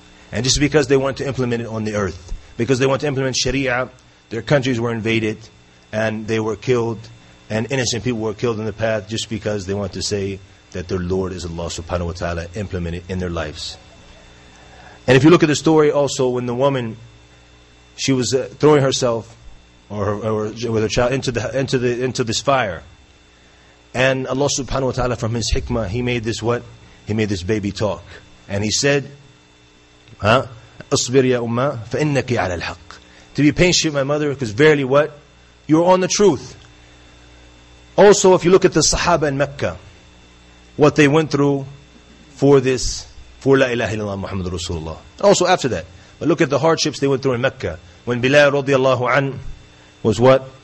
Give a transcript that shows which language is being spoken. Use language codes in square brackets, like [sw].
[en] And just because they want to implement it on the earth. Because they want to implement Sharia, their countries were invaded, and they were killed, and innocent people were killed in the path, just because they want to say that their Lord is Allah subhanahu wa ta'ala, implemented in their lives. And if you look at the story also, when the woman, she was throwing herself, or with her child, into this fire. And Allah subhanahu wa ta'ala, from His hikmah, He made this what? He made this baby talk. And He said, huh? [ar] أصبر يا أمة فإنك على الحق. [en] To be patient, my mother, because verily what? You're on the truth. Also, if you look at the Sahaba in Mecca, what they went through for this, for [ar] La ilaha illallah Muhammad Rasulullah. [en] Also after that. But look at the hardships they went through in Mecca. When Bilal radiallahu anh was what?